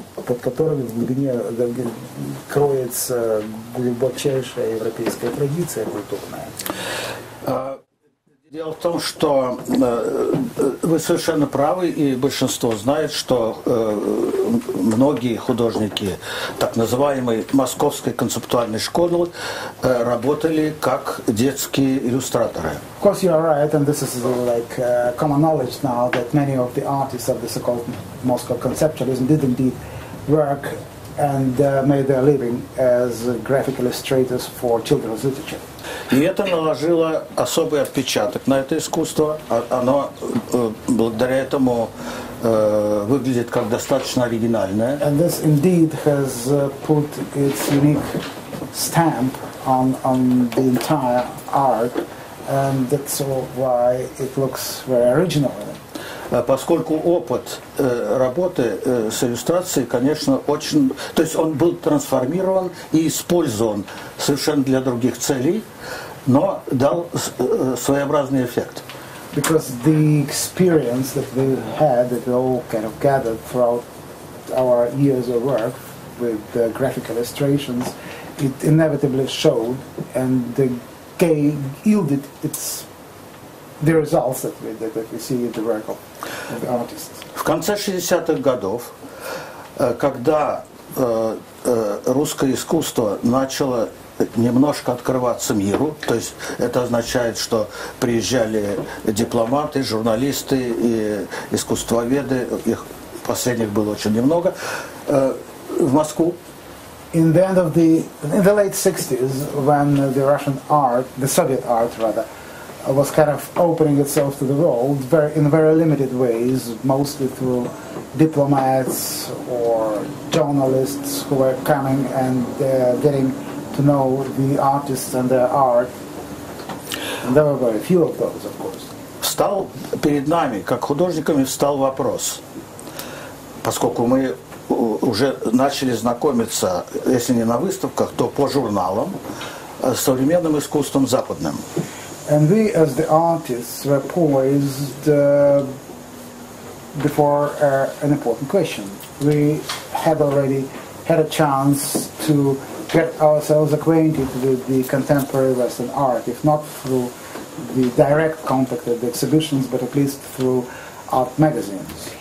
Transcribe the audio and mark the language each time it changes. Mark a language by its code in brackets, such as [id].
[ru] Под которыми в глубине кроется глубочайшая европейская традиция культурная. Дело в том, что вы совершенно правы, и большинство знает, что многие художники так называемой московской концептуальной школы работали как детские иллюстраторы. [en] Of course you are right, and this is like common knowledge now that many of the artists of the so-called Moscow conceptualism did indeed work and made their living as graphic illustrators for children's literature. [ru] И это наложило особый отпечаток на это искусство. Оно благодаря этому выглядит как достаточно оригинальное. [en] And this indeed has put its unique stamp on the entire art, and that's why it looks very original. [ru] Поскольку опыт работы с иллюстрацией, конечно, очень... То есть он был трансформирован и использован совершенно для других целей, но дал своеобразный эффект. [en] Because the experience that we had, that we all kind of gathered throughout our years of work with the graphic illustrations, it inevitably showed and yielded its... The results that we see in the work of the artists. [ru] В конце 60-х годов, когда русское искусство начало немножко открываться миру, то есть это означает, что приезжали дипломаты, журналисты и искусствоведы, их последних было очень немного, в Москву. [en] In the late 60s, when the Russian art, the Soviet art rather, was kind of opening itself to the world in very limited ways, mostly through diplomats or journalists who were coming and getting to know the artists and their art. And there were very few of those, of course. [ru] Встал перед нами, как художниками, встал вопрос, поскольку мы уже начали знакомиться, если не на выставках, то по журналам, с современным искусством западным. [en] And we, as the artists, were poised before an important question. We had already had a chance to get ourselves acquainted with the contemporary Western art, if not through the direct contact at the exhibitions, but at least through art magazines.